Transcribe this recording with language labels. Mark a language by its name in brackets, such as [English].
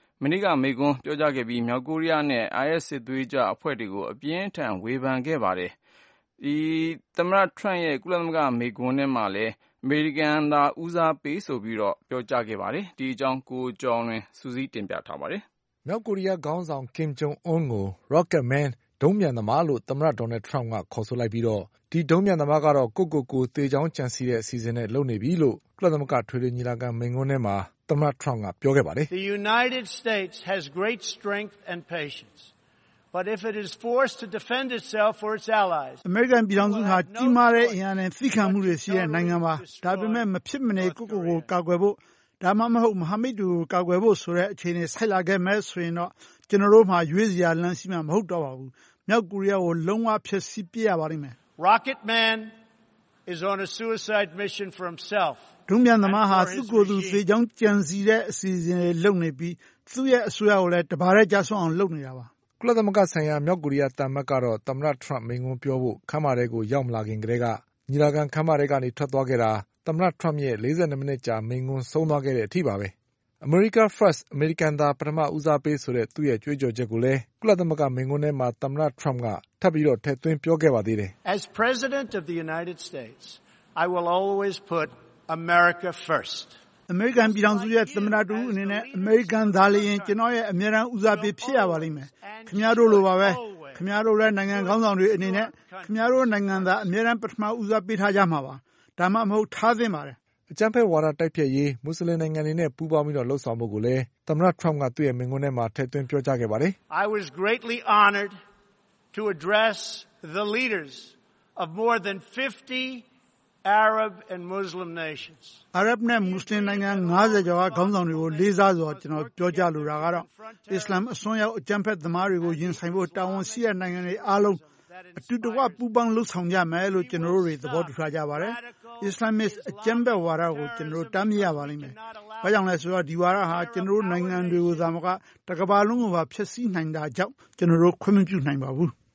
[Burmese] မနေ့ကမေကွန်းပြောကြားခဲ့ပြီးမြောက်ကိုရီးယားနဲ့ IS စစ်သွေးကြားအဖွဲ့တွေကိုအပြင်းထန်ဝေဖန်ခဲ့ပါတယ်။ဒီသမ္မတထရမ့်ရဲ့ကုလသမဂ္ဂမေကွန်းနဲ့မှလည်းအမေရိကန်သာဦးစားပေးဆိုပြီးတော့ပြောကြားခဲ့ပါတယ်။ဒီအကြောင်းကိုကြောင်းတွင်စူးစီးတင်ပြထားပါတယ်။မြောက်ကိုရီးယားခေါင်းဆောင်ကင်ဂျွန်အွန်းကို Rocket Man ဒုံးမြန်သမားလို့သမ္မတဒေါ်နယ်ထရမ့်ကခေါ်ဆိုလိုက်ပြီးတော့ဒီဒုံးမြန်သမားကတော့ကိုသေချောင်းကြံစီတဲ့အစည်းအဝေးနဲ့လုပ်နေပြီလို့ကုလသမဂ္ဂထွေထွေညီလာခံမင်းကွန်းထဲမှာသမ္မတထရမ့်ကပြောခဲ့ပါတယ် [English] The United States has great strength and patience but if it is forced to defend itself or its allies [Burmese] American ပြည်ထောင်စုဟာတိမာတဲ့အင်အားနဲ့စီခံမှုတွေရှိတဲ့နိုင်ငံမှာဒါပေမဲ့မဖြစ်မနေကိုကာကွယ်ဖို့ဒါမှမဟုတ်မဟာမိတ်တွေကိုကာကွယ်ဖို့ဆိုတဲ့အခြေအနေဆိုက်လာခဲ့မဲ့ဆိုရင်တော့ကျွန်တော်တို့မှရွေးစရာလမ်းစီမံမဟုတ်တော့ပါဘူးမြောက်ကိုရီးယားကိုလုံးဝဖျက်ဆီးပြရပါလိမ့်မယ် [English] Rocket Man is on a suicide mission for himself. [Burmese] ဒုံမြန်သမားဟာသူ့ကိုယ်သူစေချောင်းကြံစီတဲ့အစီအစဉ်လေးလုပ်နေပြီးသူ့ရဲ့အဆွေအဝါကိုလည်းတဘာတဲ့ကြဆွအောင်လုပ်နေတာပါ ။ကုလသမဂ္ဂဆိုင်ရာမြောက်ကိုရီးယားတာမတ်ကတော့သမ္မတထရမ့်မင်းကွန်းပြောဖို့ခန့်မာတဲ့ကိုရောက်မလာခင်ကတည်းကညီလာခံခန့်မာတဲ့ကနေထွက်သွားခဲ့တာသမ္မတထရမ့်ရဲ့42မိနစ်ကြာမင်းကွန်းဆုံးသွားခဲ့တဲ့အထိပါပဲ။ America First American သားပထမဦးစားပေးဆိုတဲ့သူ့ရဲ့ကြွေးကြော်ချက်ကိုလည်းကုလသမဂ္ဂမင်းကွန်းထဲမှာသမ္မတထရမ့်ကထပ်ပြီးတော့ထည့်သွင်းပြောခဲ့ပါသေးတယ် [English] As President of the United States I will always put America first [Burmese] American ပြည်ထောင်စုရဲ့သမ္မတတူအနေနဲ့ American သားလျင်ကျွန်တော်ရဲ့အမြဲတမ်းဦးစားပေးဖြစ်ရပါလိမ့်မယ်ခင်ဗျားတို့လိုပါပဲခင်ဗျားတို့ရဲ့နိုင်ငံခေါင်းဆောင်တွေအနေနဲ့ခင်ဗျားတို့နိုင်ငံသားအမြဲတမ်းပထမဦးစားပေးထားကြမှာပါဒါမှမဟုတ်ထားသင့်ပါတယ်အကြမ်းဖက်ဝါဒတိုက်ဖျက်ရေးမွတ်စလင်နိုင်ငံတွေနဲ့ပူးပေါင်းပြီးတော့လှုပ်ဆောင်ဖို့ကိုလည်းသမ္မတ Trump ကသူ့ရဲ့မင်းကွန်းထဲမှာထည့်သွင်းပြောကြားခဲ့ပါတယ် [English] I was greatly honored to address the leaders of more than 50 Arab and Muslim nations [Burmese] Arab နဲ့ Muslim နိုင်ငံ50ကျော်ကခေါင်းဆောင်တွေကိုလေးစားစွာကျွန်တော်ပြောကြလိုတာကတော့ Islam အစွန်းရောက်အကြမ်းဖက်သမားတွေကိုယဉ်ဆိုင်ဖို့တာဝန်ရှိတဲ့နိုင်ငံတွေအားလုံးအတူတကွပူးပေါင်းလှုပ်ဆောင်ကြမယ်လို့ကျွန်တော်တွေသဘောတူထားကြပါတယ် Islamist အကြမ်းဖက်ဝါဒကိုကျွန်တော်တားမြစ်ရပါလိမ့်မယ်ဘာကြောင့်လဲဆိုတော့ဒီဝါဒဟာကျွန်တော်နိုင်ငံတွေကိုသာမကတကဘာလုံးကိုပါဖျက်ဆီးနိုင်တာကြောင့်ကျွန်တော်တို့ခွင့်မပြုနိုင်ပါဘူး